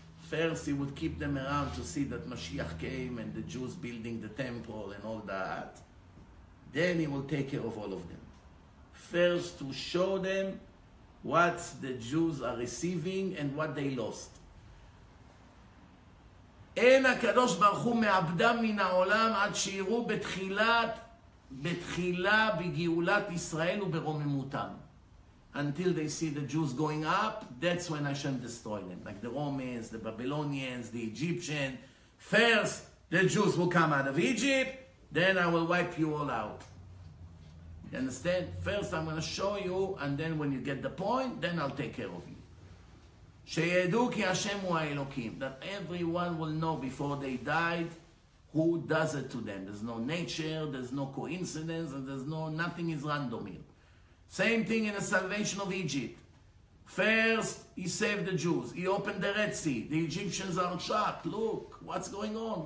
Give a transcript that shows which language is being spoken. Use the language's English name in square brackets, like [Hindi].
[English] First, He would keep them around to see that Mashiach came and the Jews building the temple and all that. Then He will take care of all of them. First, to show them what the Jews are receiving and what they lost. [Hebrew] Ein HaKadosh Baruch Hu me'abdam min ha'olam ad she'iru בתחילה בגאולת ישראל וברוממותם. [English] Until they see the Jews going up, that's when Hashem destroyed them. Like the Romans, the Babylonians, the Egyptians. First, the Jews will come out of Egypt, then I will wipe you all out. You understand? First, I'm going to show you, and then when you get the point, then I'll take care of you. [Hebrew] שידעו כי השם הוא האלוקים. [English] That everyone will know before they died, who does it to them. There's no nature, there's no coincidence, and there's no, nothing is random here. Same thing in the salvation of Egypt. First, He saved the Jews. He opened the Red Sea. The Egyptians are shocked. Look, what's going on?